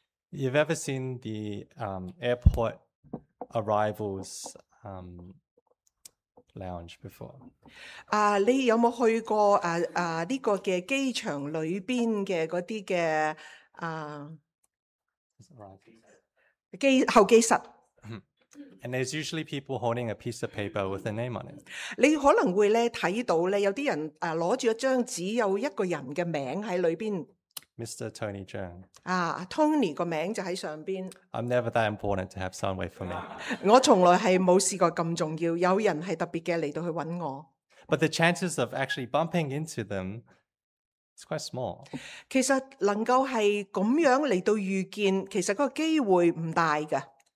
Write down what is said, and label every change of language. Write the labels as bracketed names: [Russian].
[English] You've ever seen the airport arrivals lounge before? [Cantonese] 你有冇去过呢个嘅机场里边嘅嗰啲嘅候机室？ [English] And there's usually people holding a piece of paper with a name on it. [Cantonese] 你可能会咧睇到咧，有啲人攞住一张纸，有一个人嘅名喺里边。 [English] Mr. Tony Zhang. [Cantonese] Tony 个名就喺上边。 [English] I'm never that important to have someone wait for me. [Cantonese] 我从来系冇试过咁重要，有人系特别嘅嚟到去揾我。 [English] But the chances of actually bumping into them is quite small. [Cantonese] 其实能够系咁样嚟到遇见，其实个机会唔大噶。